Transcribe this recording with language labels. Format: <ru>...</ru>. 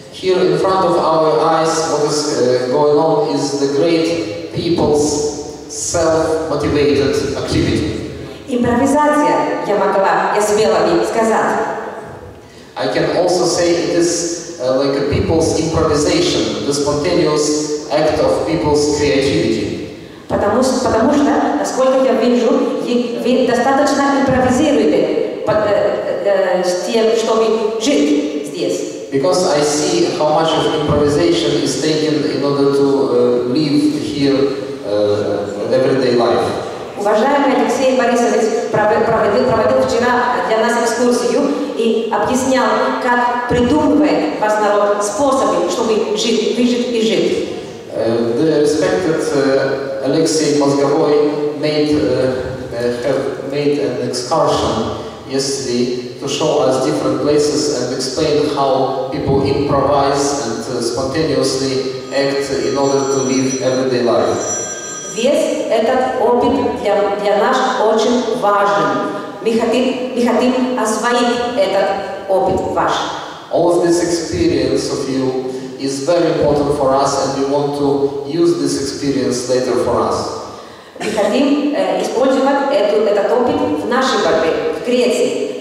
<en>Here in front of our eyes, what is going on is the great people's self-motivated activity.</en> <ru>Импровизация, я смела бы сказать.</ru> <en>I can also say it is like a people's improvisation, the spontaneous act of people's creativity.</en> <ru>Потому что, насколько я вижу, вы достаточно импровизируете с тем, чтобы жить здесь.</ru> <en>Because I see how much of improvisation is taken in order to live here everyday life.</en> <ru>Уважаемый Алексей Борисович проводил вчера для нас экскурсию и объяснял, как придумывает ваш народ способы, чтобы жить, выжить и жить.</ru> <en>The respected Алексей Мозговой made an excursion yesterday to show us different places and explain how people improvise and spontaneously act in order to live everyday life.</en> <ru>Весь этот опыт для нас очень важен. Мы хотим освоить этот опыт ваш.</ru> <en>All of this experience of you is very important for us, and we want to use this experience later for us.</en> <ru>Мы хотим использовать этот опыт в нашей борьбе, в Греции.</ru>